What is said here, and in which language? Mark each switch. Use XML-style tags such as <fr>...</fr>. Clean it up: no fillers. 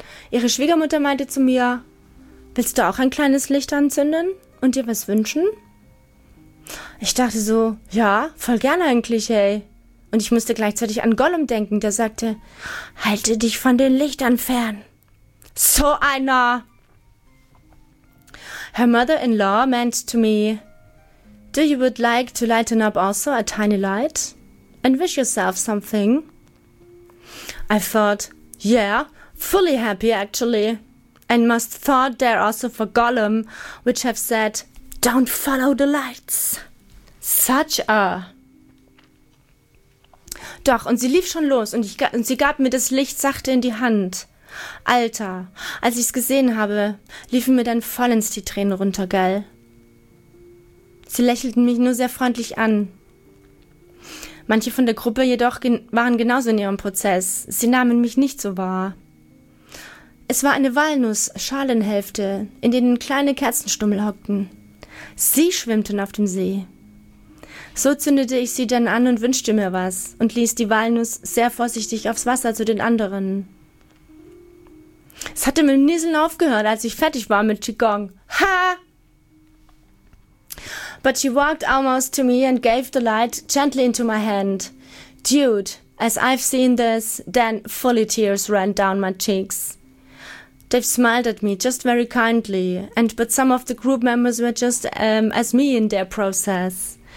<de>Ihre Schwiegermutter meinte zu mir, willst du auch ein kleines Licht anzünden und dir was wünschen? Ich dachte so, ja, voll gern eigentlich, ey. Und ich musste gleichzeitig an Gollum denken, der sagte, halte dich von den Lichtern fern. So einer!</de> <en>Her mother-in-law meant to me, do you would like to lighten up also a tiny light and wish yourself something? I thought, yeah, fully happy actually, and must thought there also for Gollum, which have said, don't follow the lights. Such a...</en> <de>Doch, und sie lief schon los und sie gab mir das Licht sachte in die Hand. Alter, als ich's gesehen habe, liefen mir dann vollends die Tränen runter, gell? Sie lächelten mich nur sehr freundlich an. Manche von der Gruppe jedoch waren genauso in ihrem Prozess. Sie nahmen mich nicht so wahr. Es war eine Walnuss-Schalenhälfte, in denen kleine Kerzenstummel hockten. Sie schwimmten auf dem See. So zündete ich sie dann an und wünschte mir was und ließ die Walnuss sehr vorsichtig aufs Wasser zu den anderen. Es hatte mit dem Nieseln aufgehört, als ich fertig war mit Qigong. Ha!</de> <en>But she walked almost to me and gave the light gently into my hand. Dude, as I've seen this, then fully tears ran down my cheeks. They've smiled at me just very kindly, and but some of the group members were just as me in their process.</en>